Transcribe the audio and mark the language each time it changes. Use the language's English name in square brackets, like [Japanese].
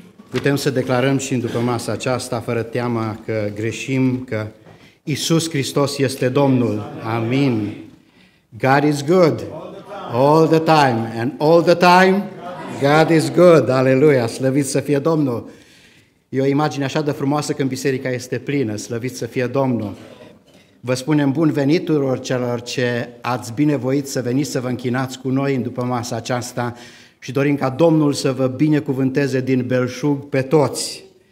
[Romanian] Putem să declarăm și după masa aceasta, fără teama că greșim, că Iisus Hristos este Domnul. [English] Amin. God is good. All the time. And all the time, God is good. [Romanian] Aleluia. Slăvit să fie Domnul. E o imagine așa de frumoasă când biserica este plină. Slăvit să fie Domnul. Vă spunem bun venit tuturor celor ce ați binevoit să veniți să vă închinați cu noi în după masa aceasta. Și dorim ca Domnul să vă binecuvânteze din belșug pe toți.